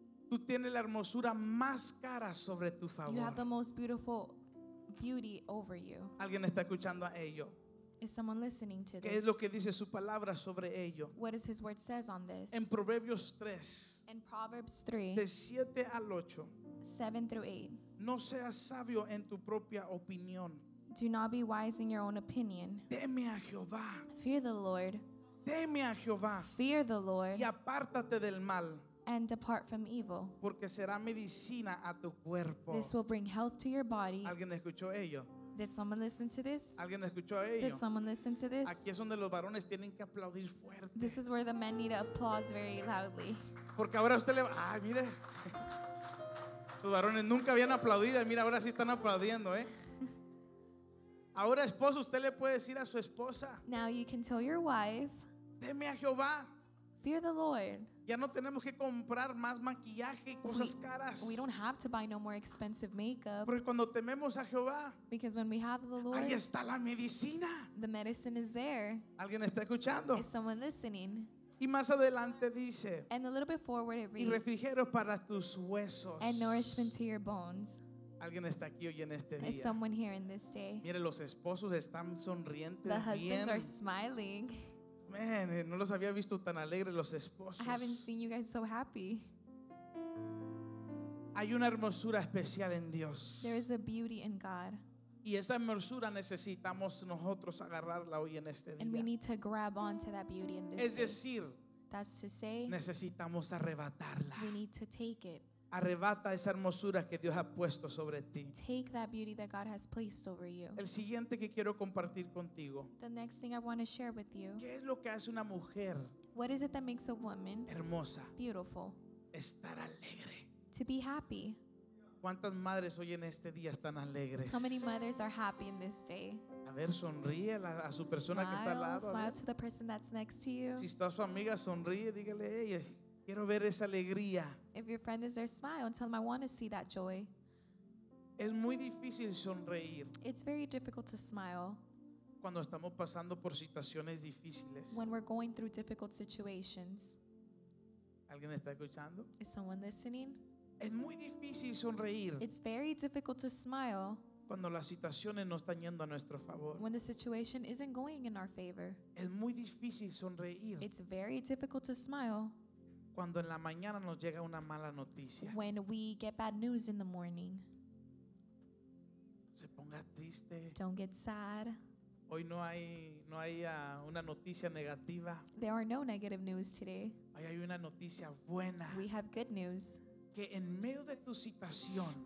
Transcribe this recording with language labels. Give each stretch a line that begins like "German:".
Spanish: tú tienes la hermosura más cara sobre tu favor.
English: You have the most beautiful beauty over you.
Spanish: ¿Alguien está escuchando a ello?
English: Is someone listening to this?
Spanish: ¿Qué es lo que dice su palabra sobre ello?
English: What does his word says on this?
Spanish: En Proverbios 3.
English: In Proverbs 3.
Spanish: De 7 al 8.
English: 7 through 8.
Spanish: No seas sabio en tu propia opinión.
English: Do not be wise in your own opinion.
Spanish: Teme a Jehová.
English: Fear the Lord.
Spanish: Teme a Jehová.
English: Fear the Lord.
Spanish: Y apártate del mal.
English: And depart from evil.
Spanish: Porque será medicina a tu cuerpo.
English: This will bring health to your body.
Spanish: ¿Alguien escuchó ello?
English: Did someone listen to this?
Spanish: ¿Alguien escuchó ello?
English: Did someone listen to this?
Spanish: Aquí es donde los varones tienen que aplaudir fuerte.
English: This is where the men need to applaud very loudly.
Spanish: Porque ahora usted le va. Ay, mire. Los varones nunca habían aplaudido. Mira, ahora sí están aplaudiendo, ¿eh? Ahora, esposo, usted le puede decir a su esposa.
English: Now you can tell your wife.
Spanish: Deme a Jehová.
English: Fear the Lord.
Spanish: Ya no tenemos que comprar más maquillaje y cosas caras.
English: We don't have to buy no more expensive makeup.
Spanish: Porque cuando tememos a Jehová,
English: because when we have the Lord,
Spanish: ahí está la medicina.
English: The medicine is there.
Spanish: ¿Alguien está escuchando?
English: Is someone listening?
Spanish: Y más adelante dice,
English: and a little bit forward it reads,
Spanish: y refrigero para tus huesos.
English: And nourishment to your bones.
Spanish: ¿Alguien está aquí hoy en este día?
English: Is someone here in this day?
Spanish: Mire, los esposos están sonrientes.
English: The husbands
Spanish: bien.
English: Are smiling.
Spanish: Man, no los había visto tan alegres los esposos.
English: I haven't seen you guys so happy.
Spanish: Hay una hermosura especial en Dios.
English: There is a beauty in God.
Spanish: Y esa hermosura necesitamos nosotros agarrarla hoy en este día.
English: And we need to grab onto that beauty in this
Spanish: es decir,
English: day. That's to say,
Spanish: necesitamos arrebatarla.
English: We need to take it.
Spanish: Arrebata esa hermosura que Dios ha puesto sobre ti.
English: Take that beauty that God has placed over you.
Spanish: El siguiente que quiero compartir contigo.
English: The next thing I want to share with you.
Spanish: ¿Qué es lo que hace una mujer?
English: What is it that makes a woman
Spanish: hermosa?
English: Beautiful.
Spanish: Estar alegre.
English: To be happy.
Spanish: ¿Cuántas madres hoy en este día están alegres?
English: How many mothers are happy in this day?
Spanish: A ver, sonríe a su persona
English: smile,
Spanish: que está al lado.
English: Smile to the person that's next to you.
Spanish: Si está su amiga, sonríe, dígale, hey, quiero ver esa alegría.
English: If your friend is there, smile and tell them, I want to see that joy.
Spanish: Es muy difícil sonreír.
English: It's very difficult to smile.
Spanish: Cuando estamos pasando por situaciones difíciles.
English: When we're going through difficult situations.
Spanish: ¿Alguien está escuchando?
English: Is someone listening?
Spanish: Es muy difícil sonreír.
English: It's very difficult to smile.
Spanish: Cuando las situaciones no están yendo a nuestro favor.
English: When the situation isn't going in our favor.
Spanish: Es muy difícil sonreír.
English: It's very difficult to smile.
Spanish: Cuando en la mañana nos llega una mala noticia.
English: When we get bad news in the morning.
Spanish: Se ponga triste.
English: Don't get sad.
Spanish: Hoy no hay una noticia negativa.
English: There are no negative news today.
Spanish: Hoy hay una noticia buena.
English: We have good news.
Spanish: Que en medio de tu situación.